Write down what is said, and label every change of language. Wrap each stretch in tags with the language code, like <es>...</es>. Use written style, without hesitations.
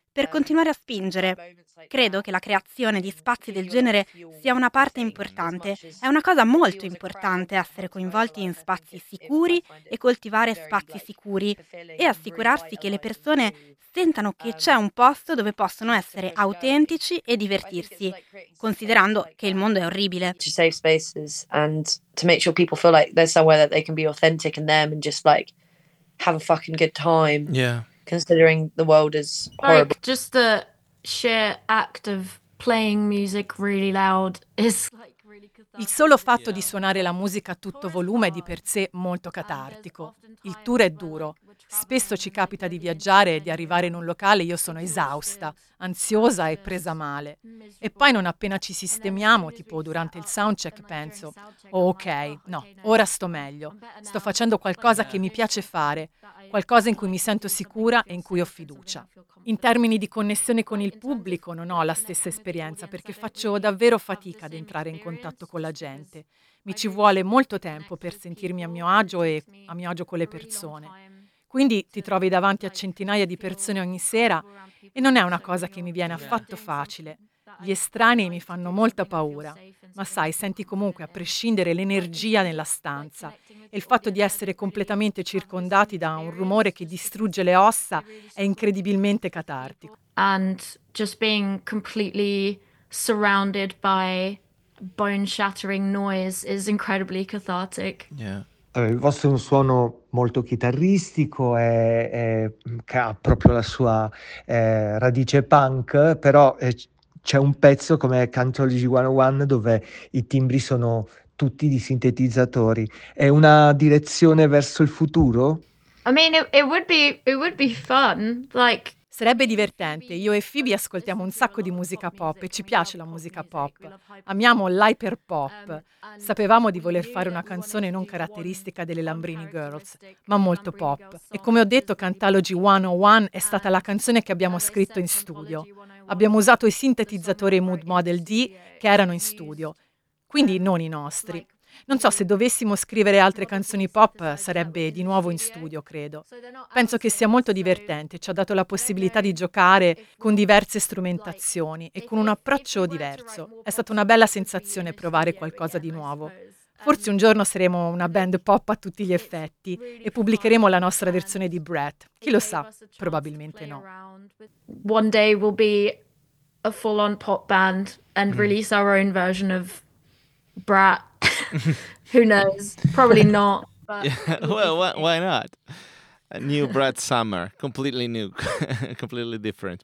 <it>per continuare a spingere. Credo che la creazione di spazi del genere sia una parte importante. È una cosa molto importante essere coinvolti in spazi sicuri e coltivare spazi sicuri e assicurarsi che le persone sentano che c'è un posto dove possono essere autentici e divertirsi, considerando che il mondo è orribile.</it> <en>To safe spaces and to make sure people feel like there's somewhere that they can be authentic and them and just like have a fucking good time. Yeah. Considering the world is horrible. Like, just the sheer act of playing music really loud is like really cathartic.</en> <it>Il solo fatto di suonare la musica a tutto volume è di per sé molto catartico. Il tour è duro. Spesso ci capita di viaggiare e di arrivare in un locale e io sono esausta, ansiosa e presa male. E poi non appena ci sistemiamo, tipo durante il soundcheck, penso, oh, ok, no, ora sto meglio. Sto facendo qualcosa che mi piace fare, qualcosa in cui mi sento sicura e in cui ho fiducia. In termini di connessione con il pubblico non ho la stessa esperienza perché faccio davvero fatica ad entrare in contatto con la gente. Mi ci vuole molto tempo per sentirmi a mio agio e a mio agio con le persone. Quindi ti trovi davanti a centinaia di persone ogni sera e non è una cosa che mi viene affatto facile. Gli estranei mi fanno molta paura, ma sai, senti comunque a prescindere l'energia nella stanza e il fatto di essere completamente circondati da un rumore che distrugge le ossa è incredibilmente catartico.</it> <en>And just being completely surrounded by bone-shattering noise is incredibly cathartic. Yeah.</en> <it>Il vostro è un suono molto chitarristico, che ha proprio la sua radice punk, però c'è un pezzo come Cantology 101 dove i timbri sono tutti di sintetizzatori. È una direzione verso il futuro?</it> <en>I mean, it would be fun, like...</en> <it>Sarebbe divertente. Io e Phoebe ascoltiamo un sacco di musica pop e ci piace la musica pop. Amiamo l'hyperpop. Sapevamo di voler fare una canzone non caratteristica delle Lambrini Girls, ma molto pop. E come ho detto, Cantology 101 è stata la canzone che abbiamo scritto in studio. Abbiamo usato i sintetizzatori Mood Model D che erano in studio, quindi non i nostri. Non so, se dovessimo scrivere altre canzoni pop sarebbe di nuovo in studio, credo. Penso che sia molto divertente, ci ha dato la possibilità di giocare con diverse strumentazioni e con un approccio diverso. È stata una bella sensazione provare qualcosa di nuovo. Forse un giorno saremo una band pop a tutti gli effetti e pubblicheremo la nostra versione di Brett. Chi lo sa, probabilmente no.</it> <en>One day we'll be a full-on pop band and release our own version of Brett. Who knows? Probably not. But yeah. Well, why not? A new Brett Summer, completely new, completely different.</en>